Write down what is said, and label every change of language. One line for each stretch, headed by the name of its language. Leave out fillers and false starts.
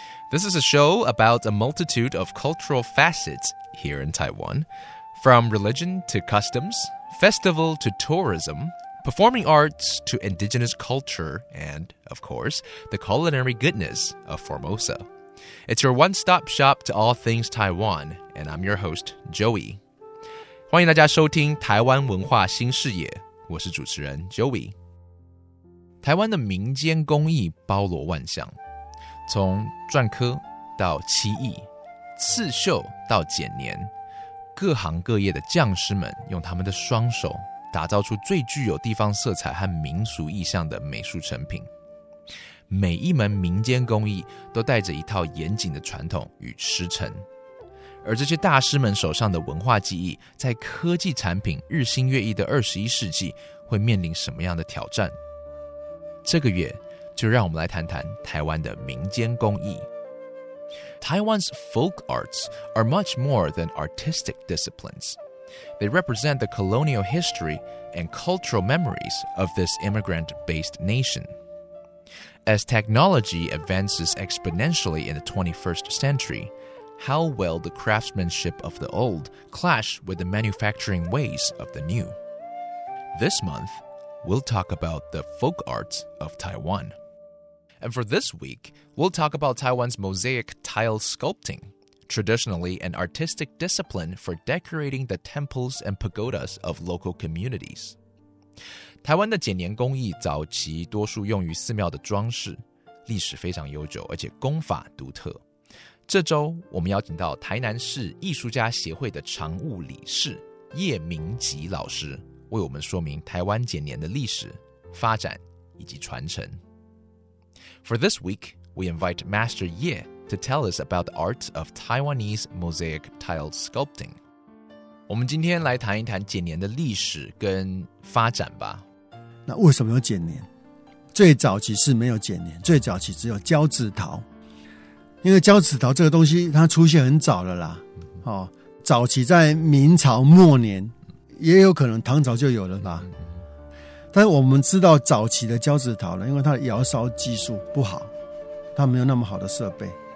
English: This is a show about a multitude of cultural facets here in Taiwan, from religion to customs, festival to tourism, performing arts to indigenous culture, and, of course, the culinary goodness of Formosa. It's your one-stop shop to all things Taiwan, and I'm your host, Joey.
Chinese: 欢迎大家收听台湾文化新视野，我是主持人 Joey。台湾的民间工艺包罗万象，从篆刻到漆艺，刺绣到剪黏，各行各业的匠师们用他们的双手打造出最具有地方色彩和民俗意象的美术成品。每一门民间工艺都带着一套严谨的传统与师承，而这些大师们手上的文化技艺，在科技产品日新月异的21世纪，会面临什么样的挑战？这个月，就让我们来谈谈台湾的民间工艺。
English: Taiwan's folk arts are much more than artistic disciplines. They represent the colonial history and cultural memories of this immigrant-based nation. As technology advances exponentially in the 21st century, how will the craftsmanship of the old clash with the manufacturing ways of the new? This month,we'll talk about the folk arts of Taiwan. And for this week, we'll talk about Taiwan's mosaic tile sculpting, traditionally an artistic discipline for decorating the temples and pagodas of local communities.
Chinese: 台湾的剪黏工艺早期多数用于寺庙的装饰，历史非常悠久，而且工法独特。这周我们邀请到台南市艺术家协会的常务理事叶明吉老师，为我们说明台湾剪黏的历史、发展以及传承。
English: For this week, we invite Master Ye to tell us about the art of Taiwanese mosaic tile sculpting.
Chinese: 我们今天来谈一谈剪黏的历史跟发展吧。那为什么有剪黏？最早期是没有剪黏，最早期只有胶纸陶。因为胶纸陶这个东西它出现很早了啦，早期在明朝末年，也有可能唐朝就有了吧，但我们知道早期的胶纸陶呢，因为它的窑烧技术不好，它没有那么好的设备，